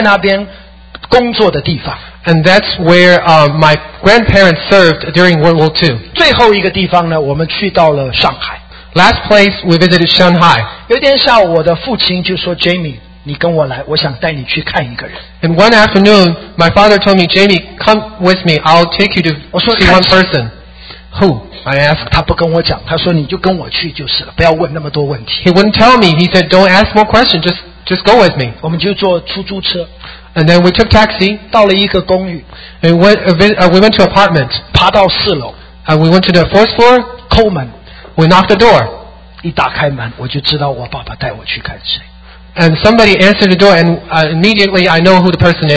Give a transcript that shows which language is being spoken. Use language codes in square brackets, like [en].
[zh] 那是我祖父祖母在抗战的时候呢，在那边工作的地方。 [en] And that's where my grandparents served during World War II. [zh] 最后一个地方呢, 我们去到了上海。 [en] Last place, we visited Shanghai. [zh] 有一天下午, 我的父亲就说, Jamie, 你跟我来, 我想带你去看一个人。 [en] And one afternoon, my father told me, Jamie, come with me, I'll take you to [zh] 我说, [en] see one person. Who? I asked. [zh] 他不跟我讲, 他说你就跟我去就是了, 不要问那么多问题。 [en] He wouldn't tell me. He said, don't ask more questions, just go with me. [zh] 我们就坐出租车。 [en] And then we took taxi. [zh] 到了一个公寓, [en] and we went to apartment. [zh] 爬到四楼, [en] and we went to the fourth floor. [zh] 叩门, [en] we knocked the door. [zh] 一打开门, 我就知道我爸爸带我去看谁。 [en] And somebody answered the door, and immediately I know who the person is.